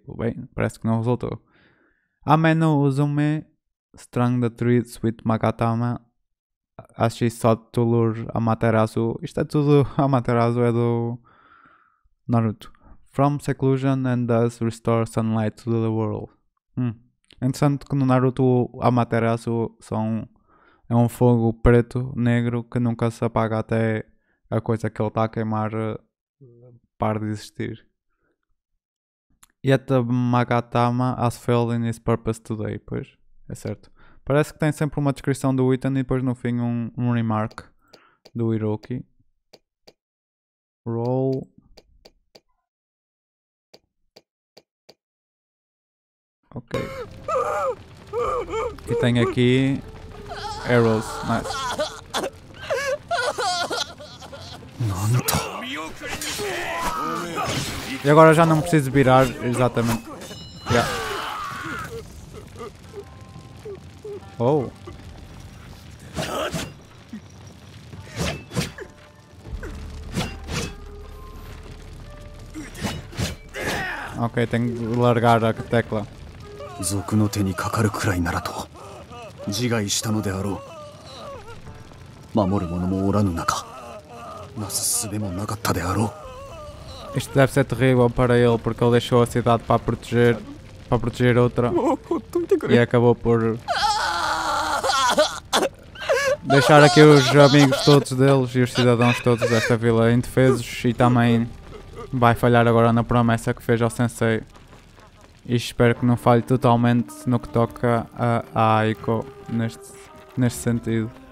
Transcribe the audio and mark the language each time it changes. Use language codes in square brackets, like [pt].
[pt] Bem, parece que não resultou. [en] Ameno Uzume strung the trees with Magatama as she sought to lure Amaterasu. [pt] Isto é tudo Amaterasu, é do Naruto. [en] From seclusion and thus restore sunlight to the world. [pt] Interessante que no Naruto Amaterasu são. É um fogo preto, negro, que nunca se apaga até a coisa que ele está a queimar pare de existir. [en] Yet the Magatama has failed in his purpose today. [pt] Pois, é certo. Parece que tem sempre uma descrição do item e depois no fim um remark do Hiroki. [en] Roll. Ok. [pt] E tem aqui... [en] Arrows, nice. [pt] E agora já não preciso virar, exatamente. Yeah. Oh. Ok, tenho que largar a tecla. [ja] Zoku no te ni kakaru kurai nara to. 自害したのであろう 守る者もおらぬ中 なす術もなかったであろう [pt] Isto deve ser terrível para ele, porque ele deixou a cidade para proteger outra e acabou por deixar aqui os amigos todos deles e os cidadãos todos desta vila indefesos e também vai falhar agora na promessa que fez ao sensei e espero que não falhe totalmente no que toca a Aiko neste sentido.